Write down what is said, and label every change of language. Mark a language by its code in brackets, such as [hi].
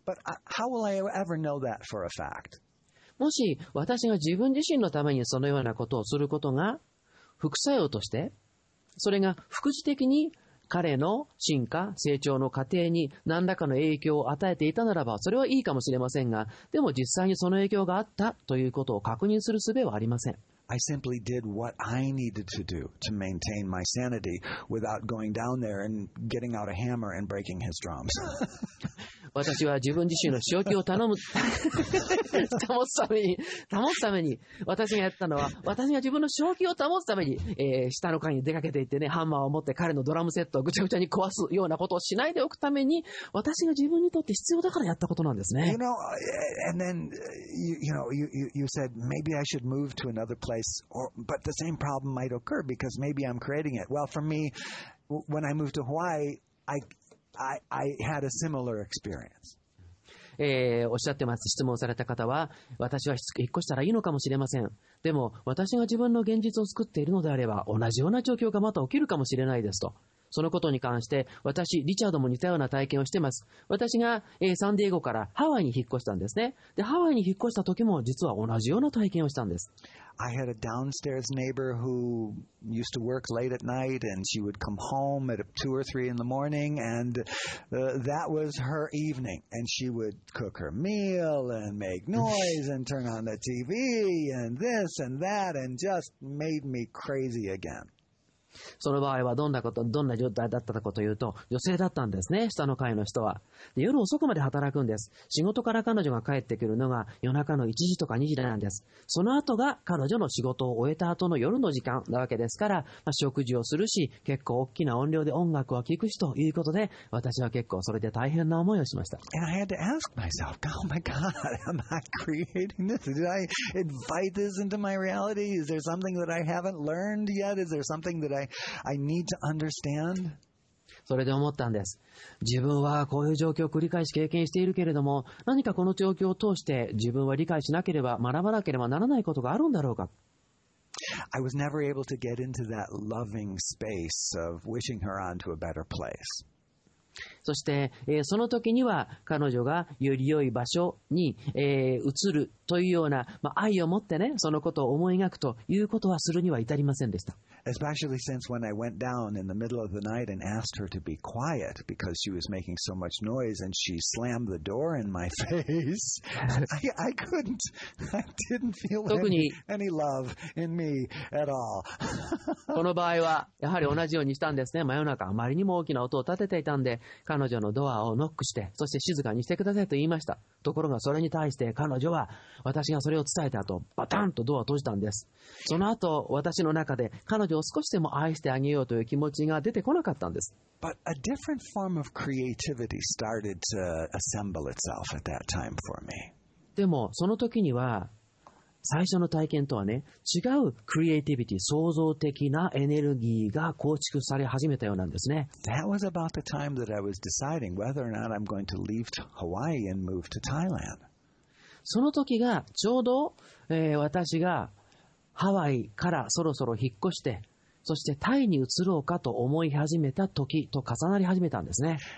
[en] But how will I ever know that for a fact? [ja] もし私が自分自身のためにそのようなことをすることが副作用として、それが副次的に彼の進化、成長の過程に何らかの影響を与えていたならば、それはいいかもしれませんが、でも実際にその影響があったということを確認する術はありません。 [en] I simply did what I needed to do to maintain my sanity without going down there and getting out a hammer and breaking his drums. [ja] 私は自分自身の正気を頼む保つために保つために私がやったのは私が自分の正気を保つために、下の階に出かけていってねハンマーを持って彼のドラムセットをぐちゃぐちゃに壊すようなことをしないでおくために私が自分にとって必要だからやったことなんですね。 [en] You know, and then you said maybe I should move to another place, or but the same problem might occur because maybe I'm creating it. Well, for me, when I moved to Hawaii, I had a similar experience. [ja] おっしゃってます。質問された方は、私は引っ越したらいいのかもしれません。でも、私が自分の現実を作っているのであれば、同じような状況がまた起きるかもしれないですと。そのことに関して、私、リチャードも似たような体験をしています。私が、サンディエゴからハワイに引っ越したんですね。で、ハワイに引っ越した時も、実は同じような体験をしたんです。 [en] I had a downstairs neighbor who used to work late at night and she would come home at 2 or 3 in the morning and that was her evening and she would cook her meal and make noise and turn on the TV and this and that and just made me crazy again. [ja] その場合はどんなこと、どんな状態だったかというと、女性だったんですね、下の階の人は。で、夜遅くまで働くんです。仕事から彼女が帰ってくるのが夜中の1時とか2時なんです。その後が彼女の仕事を終えた後の夜の時間なわけですから、まあ、食事をするし、結構大きな音量で音楽を聴くしということで、私は結構それで大変な思いをしました。 [en] And I had to ask myself, oh my God, am I creating this? Did I invite this into my reality? Is there something that I haven't learned yet? Is there something that I need to understand? [ja] それで思ったんです。自分はこういう状況を繰り返し経験しているけれども、何かこの状況を通して自分は理解しなければ、学ばなければならないことがあるんだろうか。 [en] I was never able to get into that loving space of wishing her on to a better place. [ja] そして、その時には彼女がより良い場所に、移るというような、まあ、愛を持ってね、そのことを思い描くということはするには至りませんでした。 [en] Especially since when I went down in the middle of the night and asked her to be quiet because she was making so much noise and she slammed the door in my face, I didn't feel any love in me at all. [ja] この場合はやはり同じようにしたんですね。真夜中あまりにも大きな音を立てていたんで、彼女のドアをノックして、そして静かにしてくださいと言いました。ところがそれに対して彼女は私がそれを伝えた後、バタンとドアを閉じたんです。その後、私の中で彼女を少しでも愛してあげようという気持ちが出てこなかったんです。 [en] But a different form of creativity started to assemble itself at that time for me. [ja] でもその時には最初の体験とはね、違うクリエイティビティ、創造的なエネルギーが構築され始めたようなんですね。 [en] That was about the time that I was deciding whether or not I'm going to leave to Hawaii and move to Thailand. [ja] その時がちょうど、私がハワイからそろそろ引っ越して、そしてタイに移ろうかと思い始めた時と重なり始めたんですね。